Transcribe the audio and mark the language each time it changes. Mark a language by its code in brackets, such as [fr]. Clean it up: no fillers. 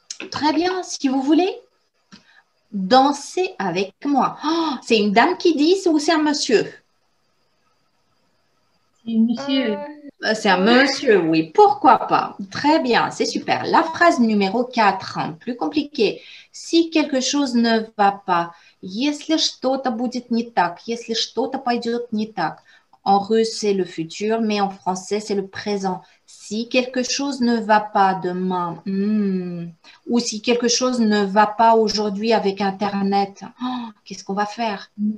[fr] Très bien, si vous voulez. Danser avec moi. Oh, c'est une dame qui dit ou c'est un monsieur? C'est un monsieur. C'est un monsieur, oui. Pourquoi pas? Très bien, c'est super. La phrase numéro 4, hein, plus compliquée. Si quelque chose ne va pas. [ru] Если что-то будет не так, если что-то пойдет не так. [fr] En russe, c'est le futur, mais en français, c'est le présent. Si quelque chose ne va pas demain, ou si quelque chose ne va pas aujourd'hui avec Internet, oh, qu'est-ce qu'on va faire?